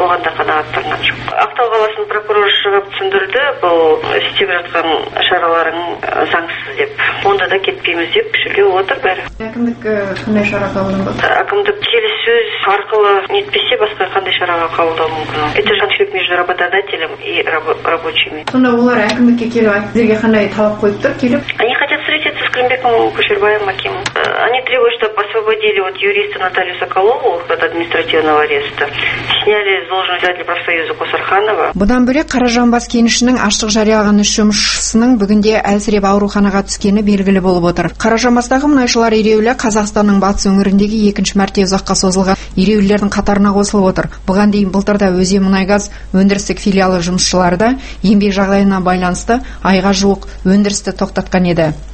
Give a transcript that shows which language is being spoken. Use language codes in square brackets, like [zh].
[kk] Оған да қанағаттанған жоқ. Ақтау қаласының прокуроры шығып түсіндірді, бұл істеп жатқан шараларың заңсыз деп. Онда да кетпейміз деп шілде отыр бәрі. Әкімдік қандай шара қабылдады? Әкімдік келіссөз арқылы нетпесе басқа қандай шараға қабылдауы мүмкін? [ru] Это конфликт между работодателем и рабочими. [kk] Сонда олар әкімдікке келіп, сіздерге қандай талап қойып тұр келіп? [ru] Они хотят встретиться с Кримбеком Көшербаевым Акимом. Они требуют, чтобы освободили вот юриста Наталью Соколову от административного ареста. Сняли с должности председателя профсоюза Косарханова. [kk] Бұдан бөлек Қаражанбас кенішінің аштық жариялаған үш жұмысшысының бүгінде әлсіреп ауруханаға түскені белгілі болып отыр. Қаражанбастағы мұнайшылар ереуілі Қазақстанның батыс өңіріндегі екінші мәрте ұзаққа созылған ереуілердің қатарына қосылып отыр. Бұған дейін былтырда өзен мұнайгаз өндірістік филиалы жұмысшылары да еңбек жағдайына байланысты айға жуық өндірісті тоқтатқан еді.